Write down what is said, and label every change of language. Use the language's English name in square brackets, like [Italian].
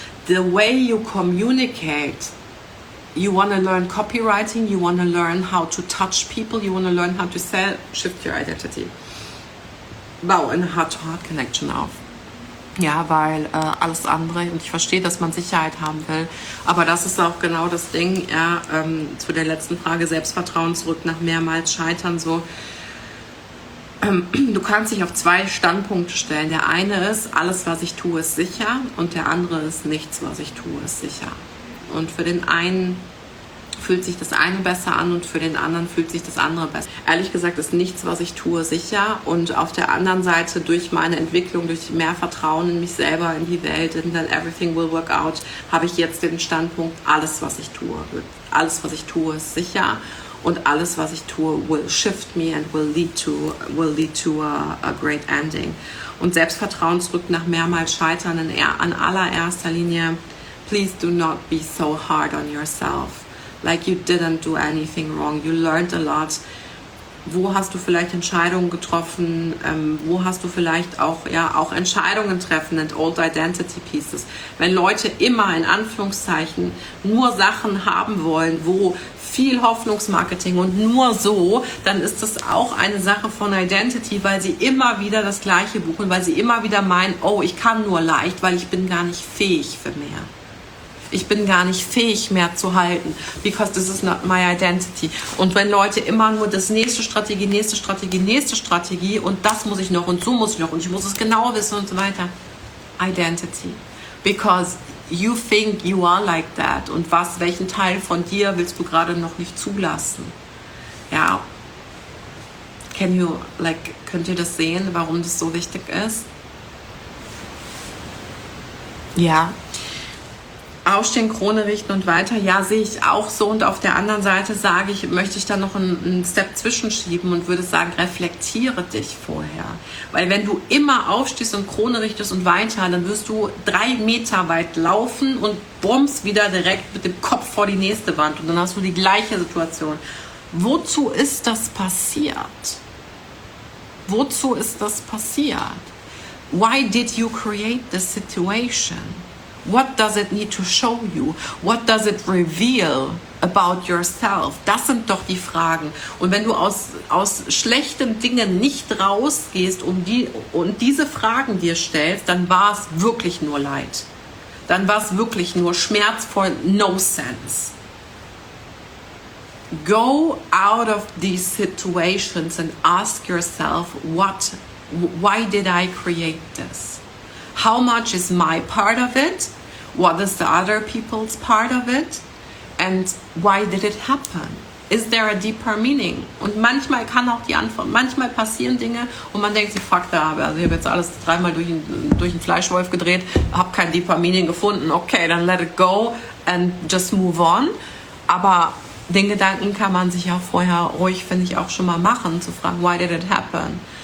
[English] The way you communicate, you want to learn copywriting, you want to learn how to touch people, you want to learn how to sell, shift your identity. [German] Bau eine Heart-to-Heart-Connection auf. Ja, weil alles andere, und ich verstehe, dass man Sicherheit haben will, aber das ist auch genau das Ding, ja, zu der letzten Frage, Selbstvertrauen zurück nach mehrmals Scheitern, so. Du kannst dich auf 2 Standpunkte stellen. Der eine ist, alles, was ich tue, ist sicher. Und der andere ist, nichts, was ich tue, ist sicher. Und für den einen fühlt sich das eine besser an und für den anderen fühlt sich das andere besser. Ehrlich gesagt ist nichts, was ich tue, sicher. Und auf der anderen Seite, durch meine Entwicklung, durch mehr Vertrauen in mich selber, in die Welt, [English] in that everything will work out, [German] habe ich jetzt den Standpunkt, alles, was ich tue, ist sicher. Und alles, was ich tue, [English] will shift me and will lead to a great ending. [German] Und Selbstvertrauen zurück nach mehrmals Scheitern an allererster Linie. [English] Please do not be so hard on yourself. Like you didn't do anything wrong. You learned a lot. [German] Wo hast du vielleicht Entscheidungen getroffen? Wo hast du vielleicht auch Entscheidungen treffen [English] in old identity pieces? [German] Wenn Leute immer in Anführungszeichen nur Sachen haben wollen, wo viel Hoffnungsmarketing und nur so, dann ist das auch eine Sache von Identity, weil sie immer wieder das Gleiche buchen, weil sie immer wieder meinen, oh, ich kann nur leicht, weil ich bin gar nicht fähig für mehr. Ich bin gar nicht fähig mehr zu halten, [English] because this is not my identity. [German] Und wenn Leute immer nur das nächste Strategie und das muss ich noch und so muss ich noch und ich muss es genau wissen und so weiter. [English] Identity. Because you think you are like that. [German] Und welchen Teil von dir willst du gerade noch nicht zulassen? Ja. Könnt ihr das sehen, warum das so wichtig ist? Ja. Aufstehen, Krone richten und weiter. Ja, sehe ich auch so. Und auf der anderen Seite sage ich, möchte ich da noch einen Step zwischenschieben und würde sagen, reflektiere dich vorher. Weil wenn du immer aufstehst und Krone richtest und weiter, dann wirst du 3 Meter weit laufen und bums wieder direkt mit dem Kopf vor die nächste Wand. Und dann hast du die gleiche Situation. Wozu ist das passiert? Wozu ist das passiert? [English] Why did you create this situation? What does it need to show you? What does it reveal about yourself? [German] Das sind doch die Fragen. Und wenn du aus schlechten Dingen nicht rausgehst und diese Fragen dir stellst, dann war es wirklich nur Leid. Dann war es wirklich nur schmerzvoll, [English] no sense. Go out of these situations and ask yourself, why did I create this? How much is my part of it? what is the other people's part of it and why did it happen? Is there a deeper meaning? [German] Und manchmal kann auch die Antwort, manchmal passieren Dinge und man denkt sich, fuck, da habe ich jetzt alles dreimal durch den Fleischwolf gedreht, habe kein [English] deeper meaning [German] gefunden, okay, dann [English] let it go and just move on. [German] Aber den Gedanken kann man sich auch vorher ruhig, finde ich, auch schon mal machen, zu fragen, [English] why did it happen?